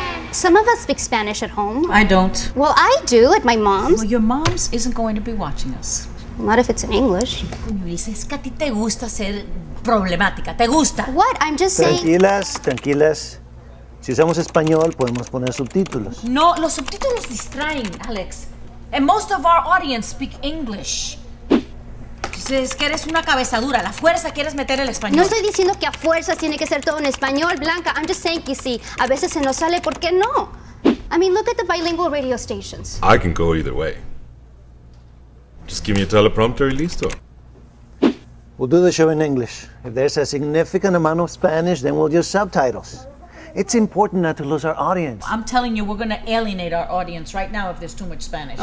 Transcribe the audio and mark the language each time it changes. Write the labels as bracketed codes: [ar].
[en] Some of us speak Spanish at home. I don't. Well, I do at my mom's. Well, your mom's isn't going to be watching us. Not if it's in English. [es] Es que a ti te gusta ser problemática. Te gusta. [en] What? I'm just saying... [es] Tranquilas, tranquilas. Si usamos español, podemos poner subtítulos. No, los subtítulos distraen, [en] Alex. And most of our audience speak English. [es] Es que eres una cabeza dura. La fuerza quieres meter el español. No estoy diciendo que a fuerzas tiene que ser todo en español, Blanca. [en] I'm just saying [es] que sí. A veces se nos sale, ¿por qué no? [en] I mean, look at the bilingual radio stations. I can go either way. Just give me a teleprompter [es] y listo. [en] We'll do the show in English. If there's a significant amount of Spanish, then we'll use subtitles. It's important not to lose our audience. I'm telling you, we're going to alienate our audience right now if there's too much Spanish.